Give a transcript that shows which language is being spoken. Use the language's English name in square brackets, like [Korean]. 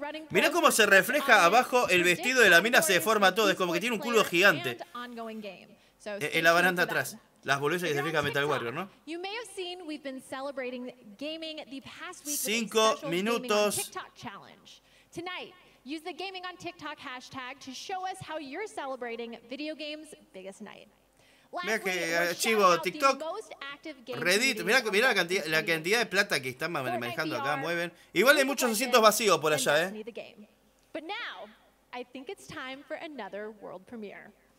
[Spanish] Mirá cómo se refleja abajo el vestido de la mina, se deforma todo, es como que tiene un culo gigante en la baranda atrás. Las boludeces que significa Metal Warrior, ¿no? [English] You may have seen we've been celebrating gaming the past week. [Spanish] 5 minutos. [English] TikTok challenge. Tonight, use the gaming on TikTok hashtag to show us how you're celebrating video games biggest night. [Spanish] Mira que archivo TikTok, Reddit, mira la cantidad de plata que están manejando acá, mueven. Igual hay muchos asientos vacíos por allá, ¿eh? [English] But now, I think it's time for another world premiere.